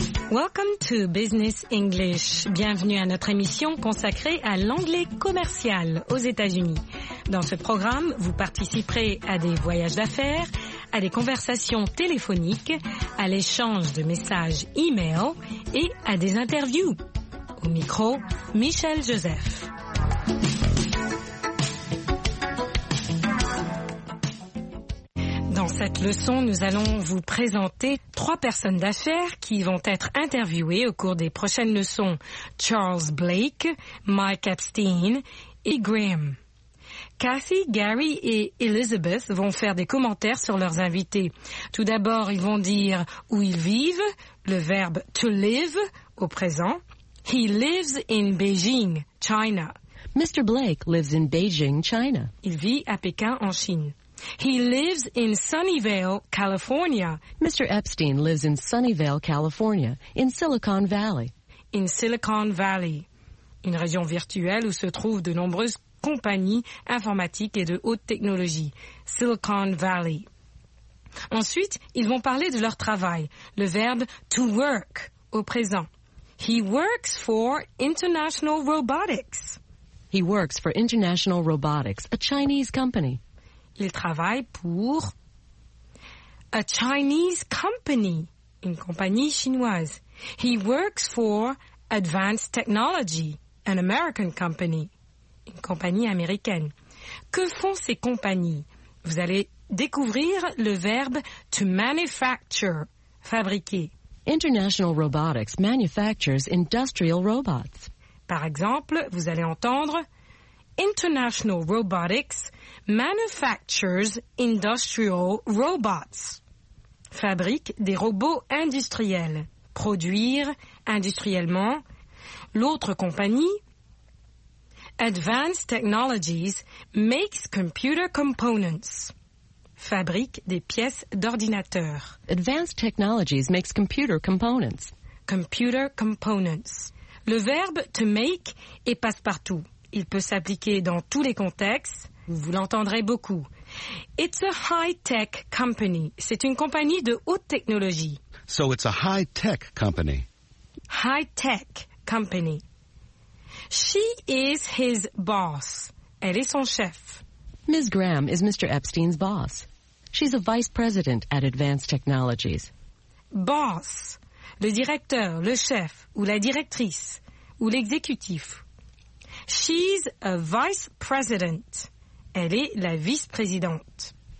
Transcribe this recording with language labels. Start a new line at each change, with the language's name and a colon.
English: Welcome to Business English.
French: Bienvenue à notre émission consacrée à l'anglais commercial aux États-Unis. Dans ce programme, vous participerez à des voyages d'affaires, à des conversations téléphoniques, à l'échange de messages e-mail et à des interviews. Au micro, Michel Joseph. Dans cette leçon, nous allons vous présenter trois personnes d'affaires qui vont être interviewées au cours des prochaines leçons. Charles Blake, Mike Epstein et Graham. Cathy, Gary et Elizabeth vont faire des commentaires sur leurs invités. Tout d'abord, ils vont dire où ils vivent, le verbe « to live » au présent.
English: « He lives in Beijing, China ». « Mr. Blake lives in Beijing, China ».
French: Il vit à Pékin, en Chine.
English: He lives in Sunnyvale, California. Mr. Epstein lives in Sunnyvale, California, in Silicon Valley.
French: In Silicon Valley, une région virtuelle où se trouvent de nombreuses compagnies informatiques et de haute technologie. Silicon Valley. Ensuite, ils vont parler de leur travail. Le verbe to work au présent.
English: He works for International Robotics. He works for International Robotics, a Chinese company.
French: Il travaille pour
English: a Chinese company,
French: une compagnie chinoise.
English: He works for Advanced Technology, an American company,
French: une compagnie américaine. Que font ces compagnies? Vous allez découvrir le verbe to manufacture, fabriquer.
English: International Robotics manufactures industrial robots.
French: Par exemple, vous allez entendre International Robotics
English: manufactures industrial robots.
French: Fabrique des robots industriels. Produire industriellement. L'autre compagnie, Advanced Technologies
English: makes computer components.
French: Fabrique des pièces d'ordinateur.
English: Advanced Technologies makes computer components. Computer components.
French: Le verbe to make est passe-partout. Il peut s'appliquer dans tous les contextes. Vous l'entendrez beaucoup.
English: It's a high-tech company.
French: C'est une compagnie de haute technologie.
English: So it's a high-tech company. High-tech company. She is his boss.
French: Elle est son chef.
English: Ms. Graham is Mr. Epstein's boss. She's a vice president at Advanced Technologies. Boss.
French: Le directeur, le chef, ou la directrice, ou l'exécutif.
English: She's a vice president.
French: Elle est la vice-présidente.